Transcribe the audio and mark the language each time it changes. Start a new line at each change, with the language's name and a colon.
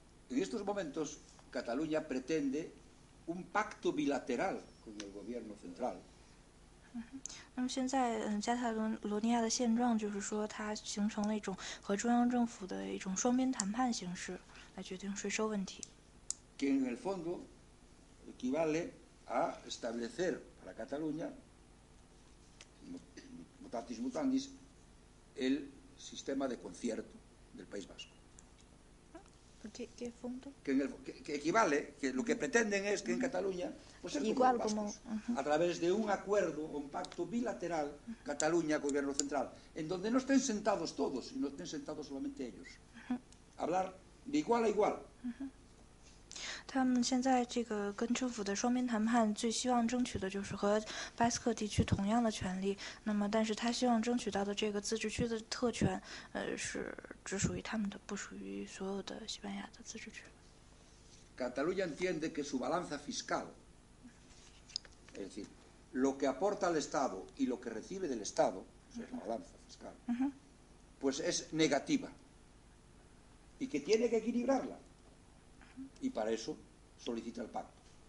Spanish: En estos momentos, Cataluña pretende un pacto bilateral con el gobierno central.
Chinese: 那么现在，加泰罗尼亚的现状就是说，它形成了一种和中央政府的一种双边谈判形式来决定税收问题。
Spanish: Que en el fondo equivale a establecer para Cataluña, mutatis mutandis, el sistema de concierto del País Vasco. ¿Qué fondo? Que equivale, que lo que pretenden es que en Cataluña, pues es igual como los vascos, a través de un acuerdo o un pacto bilateral Cataluña-Gobierno Central, en donde no estén sentados todos y no estén sentados solamente ellos. Hablar de igual a igual.
Chinese: 他们现在这个跟政府的双边谈判最希望争取的就是和巴斯克地区同样的权利，那么但是他希望争取到的这个自治区的特权，是只属于他们的，不属于所有的西班牙的自治区。
Spanish: Cataluña entiende que su balanza fiscal, es decir, lo que aporta al Estado y lo que recibe del Estado, es la balanza fiscal, pues es negativa y que tiene que equilibrarla. Y para eso solicita el pacto.